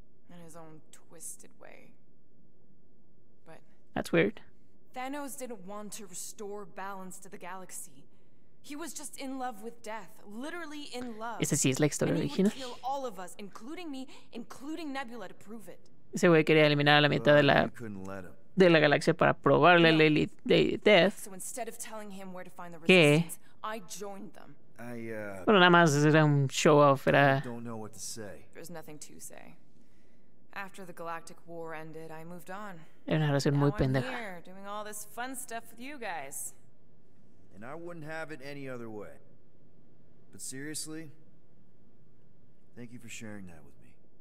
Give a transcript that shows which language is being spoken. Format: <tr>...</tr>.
<en>In his own twisted way. But that's weird. Thanos didn't want to restore balance to the galaxy. He was just in love with death, literally in love.</en> <es>Esa sí es la historia original.</es> <en>And he would kill all of us, including me, including Nebula, to prove it.</en> <es>Ese güey quería eliminar a la mitad de la galaxia para probarle a Lady Death.</es> <en>So instead of telling him where to find the Resistance, I joined them.</en> <es>Bueno, nada más era un show off, era...</es> <en>I don't know what to say. There's nothing to say. After the Galactic War ended, I moved on.</en> <es>Era una relación muy pendeja.</es> <en>Now I'm here, doing all this fun stuff with you guys. And I wouldn't have it any other way. But seriously, thank you for sharing that with me.</en>